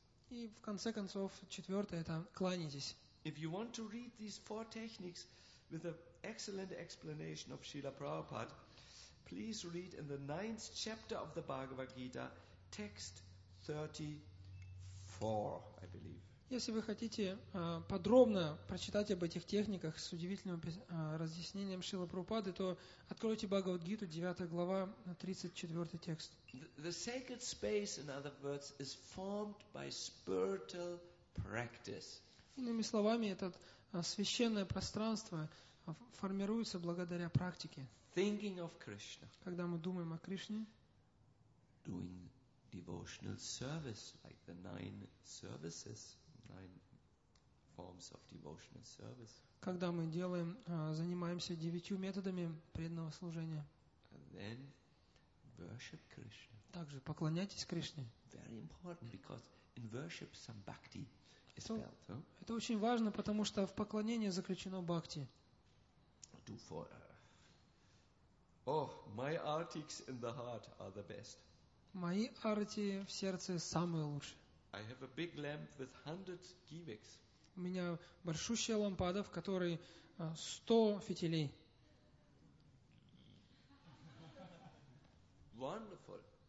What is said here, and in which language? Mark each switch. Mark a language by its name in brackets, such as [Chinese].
[Russian] И в конце концов, четвертое, это кланяйтесь. [English] If you want to read these four techniques with an excellent explanation of Srila Prabhupada, please read in the 9th chapter of the Bhagavad Gita, text 34, I believe. [Russian] Если вы хотите подробно прочитать об этих техниках с удивительным разъяснением Шрилы Прабхупады, то откройте Бхагавад-гиту, 9 глава, 34 текст. [English] The sacred space, in other words, is formed by spiritual practice. [Russian] Иными словами, это священное пространство формируется благодаря практике. [English] Thinking of Krishna. [Russian] Когда мы думаем о Кришне. [English] Doing devotional service, like the 9 services. 9 forms of devotional service. [Russian] Когда мы делаем, занимаемся 9 методами преданного служения. [English] And then worship Krishna. [Russian] Также поклоняйтесь Кришне. [English] Very important because in worship some bhakti is felt. [Russian] Это очень важно, потому что в поклонении заключено бхакти. [English] Do for, my artics in the heart are the best. [Russian] Мои арти в сердце самые лучшие. [English] I have a big lamp with 100 givics. [Russian] У меня большущая лампада, в которой 100 фитилей. [English] Wonderful.